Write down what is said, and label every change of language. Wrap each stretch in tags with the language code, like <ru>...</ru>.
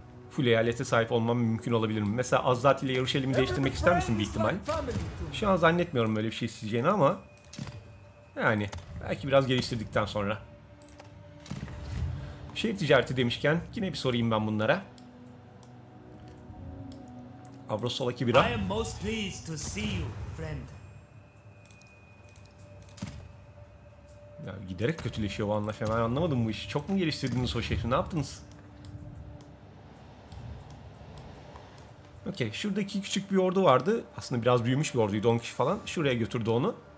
<tr>Full eyalete sahip olmam mümkün olabilir mi? Mesela Azat ile yarış elimi değiştirmek ister misin bir ihtimal? Şu an zannetmiyorum böyle bir şey isteyeceğini ama... Yani, belki biraz geliştirdikten sonra. Şehir ticareti demişken yine bir sorayım ben bunlara. Avrosola'ki bira.</tr> <en>I am most pleased to see you, friend.</en> <tr>Ya giderek kötüleşiyor bu anlaşma. Ben anlamadım bu işi. Çok mu geliştirdiniz o şehri? Ne yaptınız? Okey, şuradaki küçük bir ordu vardı. Aslında biraz büyümüş bir orduydu, 10 kişi falan. Şuraya götürdü onu.</tr>